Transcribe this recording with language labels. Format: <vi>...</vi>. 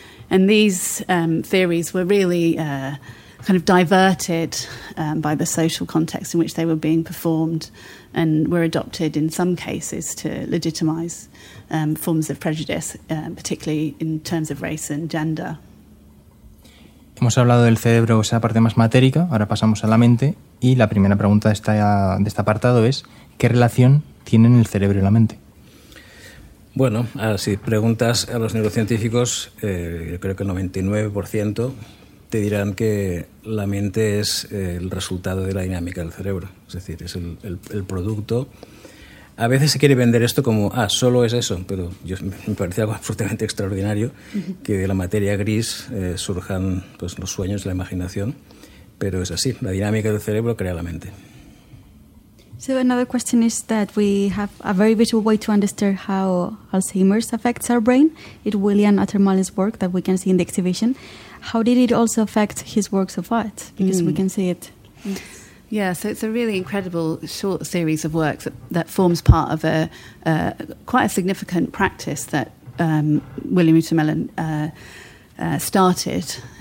<en>And these theories were really kind of diverted by the social context in which they were being performed, and were adopted in some cases to legitimise forms of prejudice, particularly in terms of race and gender.</en> <es>Hemos hablado del cerebro, esa parte más matérica, ahora pasamos a la mente, y la primera pregunta de este apartado es ¿qué relación tienen el cerebro y la mente? Bueno, si preguntas a los neurocientíficos, yo creo que el 99% te dirán que la mente es el resultado de la dinámica del cerebro, es decir, es el producto. A veces se quiere vender esto como, solo es eso, pero me parece algo absolutamente extraordinario que de la materia gris surjan pues, los sueños, la imaginación, pero es así, la dinámica del cerebro crea la mente.</es> <en>So another question is that we have a very visual way to understand how Alzheimer's affects our brain. It William Attermale's work that we can see in the exhibition. How did it also affect his works of art? Because we can see it. Yeah, so it's a really incredible short series of works that forms part of a quite a significant practice that William Attermale started.</en>